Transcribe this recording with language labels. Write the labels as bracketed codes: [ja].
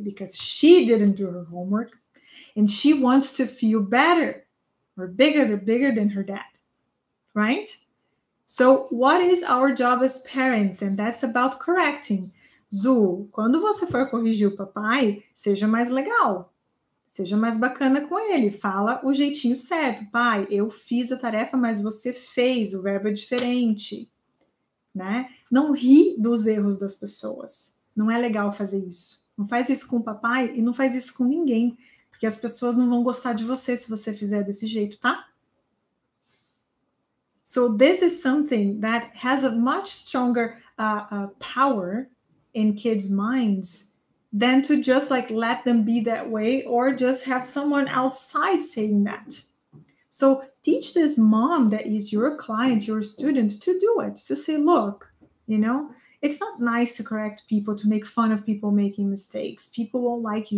[en] Because she didn't do her homework and she wants to feel better or bigger, bigger than her dad, right? So what is our job as parents? And that's about correcting. [pt] Zu, quando você for corrigir o papai, seja mais legal. Seja mais bacana com ele. Fala o jeitinho certo. Pai, eu fiz a tarefa, mas você fez. O verbo é diferente. Né? Não ri dos erros das pessoas. Não é legal fazer isso. Não faz isso com o papai e não faz isso com ninguém. Porque as pessoas não vão gostar de você se você fizer desse jeito, tá? [en] So this is something that has a much stronger power in kids' minds than to just like let them be that way or just have someone outside saying that. So teach this mom that is your client, your student, to do it, to say, look, you know, it's not nice to correct people, to make fun of people making mistakes. People won't like you.